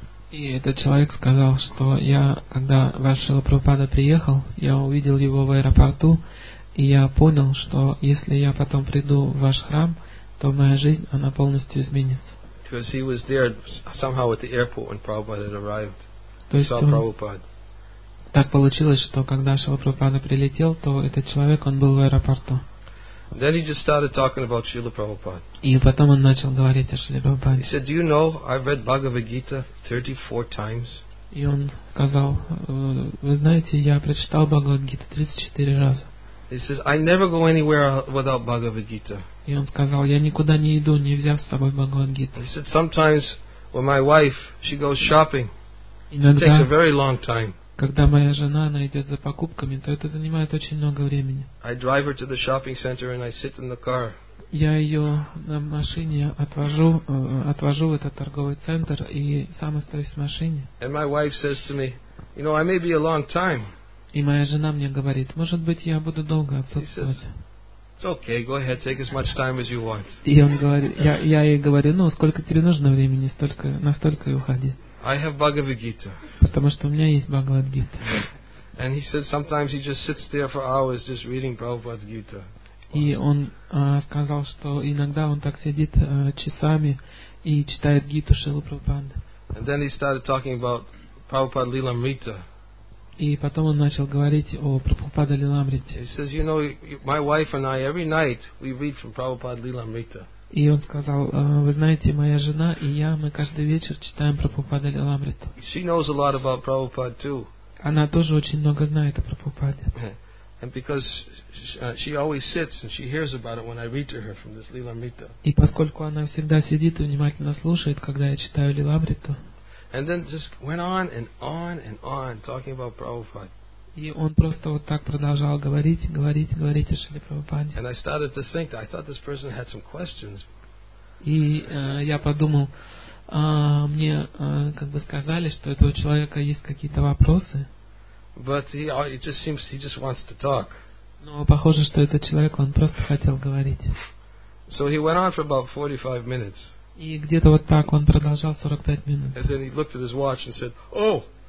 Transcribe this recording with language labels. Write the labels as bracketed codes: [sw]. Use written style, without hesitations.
[ru] И этот человек сказал, что я когда ваш Шрила Прабхупада приехал, я увидел его в аэропорту, и я понял, что если я потом приду в ваш храм, то моя жизнь она полностью изменится. [en] Because he was there somehow at the airport when Prabhupada had arrived. He saw Prabhupada. [ru] Так получилось, что когда Шрила Прабхупада прилетел, то этот человек, он был в аэропорту. [en] Then he just started talking about Srila Prabhupada. [ru] И потом он начал говорить о Шриле Прабхупаде. [en] He said, do you know, I've read Bhagavad Gita 34 times. [ru] И он сказал, вы знаете, я прочитал Бхагавад Гиту 34 раза. [en] He says, I never go anywhere without Bhagavad Gita. [ru] И он сказал, я никуда не иду, не взяв с собой Бхагавад Гиту. [en] He said, sometimes when my wife, she goes shopping, [ru] иногда, [en] it takes a very long time. [ru] Когда моя жена, она идет за покупками, то это занимает очень много времени. [en] I drive her to the shopping center and I sit in the car. [ru] Я ее на машине отвожу в этот торговый центр и сам остаюсь в машине. [en] And my wife says to me, you know, I may be a long time. [ru] И моя жена мне говорит, может быть, я буду долго отсутствовать. [en] It's okay, go ahead, take as much time as you want. [ru] И он говорит, я ей говорю, ну, сколько тебе нужно времени, столько, настолько и уходи. [en] I have Bhagavad Gita. [ru] Потому что у меня есть Бхагавад Гита. [en] And he said, sometimes he just sits there for hours just reading Prabhupada's Gita. [ru] И он сказал, что иногда он так сидит часами и читает Гиту Шрилы Прабхупады. [en] And then he started talking about Prabhupada Lilamrita. [ru] И потом он начал говорить о Прабхупаде Лиламрите. [en] He says, you know, my wife and I every night we read from Prabhupada Lilamrita. [ru] И он сказал, вы знаете, моя жена и я, мы каждый вечер читаем Прабхупаде Лиламриту. [en] She knows a lot about Prabhupada too. [ru] Она тоже очень много знает о Прабхупаде. [en] And because she always sits and she hears about it when I read to her from this Lilamrita. [ru] И поскольку она всегда сидит и внимательно слушает, когда я читаю Лиламриту. [en] And then just went on and on and on talking about Prabhupada. [ru] И он просто вот так продолжал говорить, говорить, говорить о Шриле Прабхупаде. [en] And I started to think, I thought this person had some questions. [ru] И я подумал, мне как бы сказали, что у этого человека есть какие-то вопросы. [en] But he just seems he just wants to talk. [ru] Но похоже, что этот человек, он просто хотел говорить. [en] So he went on for about 45 minutes. [ru] И где-то вот так он продолжал 45 минут. [en] And then he looked at his watch and said, oh,